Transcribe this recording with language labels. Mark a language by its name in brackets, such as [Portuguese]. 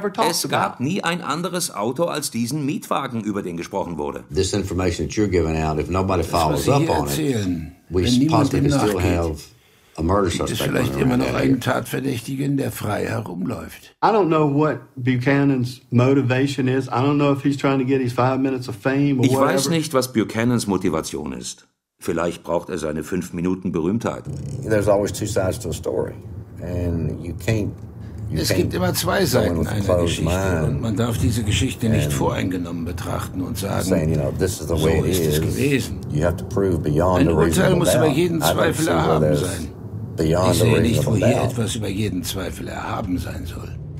[German] Es gab nie ein anderes Auto als diesen Mietwagen, über den gesprochen wurde. [English] This information that you're giving out, if nobody follows up on it, we possibly still have a murder suspect. [German] Gibt es vielleicht immer noch einen Tatverdächtigen, der frei herumläuft? [English] I don't know what Buchanan's motivation is. I don't know if he's trying to get his 5 minutes of fame or whatever. [German] Ich weiß nicht, was Buchanans Motivation ist. Vielleicht braucht er seine 5 Minuten Berühmtheit. [English] There's always two sides to a story, and you can't. [German] Es gibt immer zwei Seiten einer Geschichte und man darf diese Geschichte nicht voreingenommen betrachten und sagen, so ist es gewesen. Ein Urteil muss über jeden Zweifel erhaben sein. Ich sehe nicht, wo hier etwas über jeden Zweifel erhaben sein soll.